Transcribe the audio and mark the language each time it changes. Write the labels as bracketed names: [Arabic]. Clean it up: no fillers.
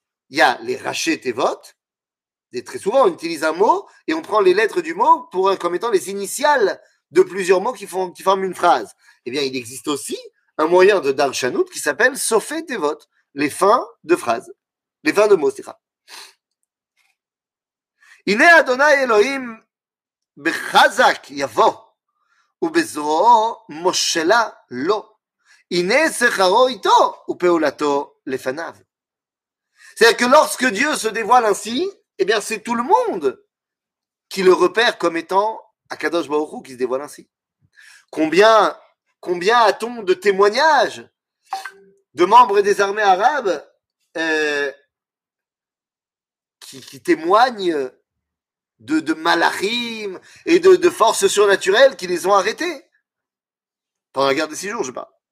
[French] Il y a les raché tevot, et très souvent on utilise un mot et on prend les lettres du mot comme étant les initiales de plusieurs mots qui forment une phrase. Eh bien, il existe aussi un moyen de darshanout qui s'appelle sophé tevot, les fins de phrases, les fins de mots, c'est ça. [Hebrew] Ine Adonai Elohim בחזק יבוא, ובזרועו מושלה לו. הנה שכרו איתו, ופעולתו לפניו. [French] C'est-à-dire que lorsque Dieu se dévoile ainsi, eh bien c'est tout le monde qui le repère comme étant Akadosh Baruch Hu qui se dévoile ainsi. Combien a-t-on de témoignages de membres des armées arabes qui témoignent de malachim et de forces surnaturelles qui les ont arrêtés pendant la guerre des six jours, je sais pas.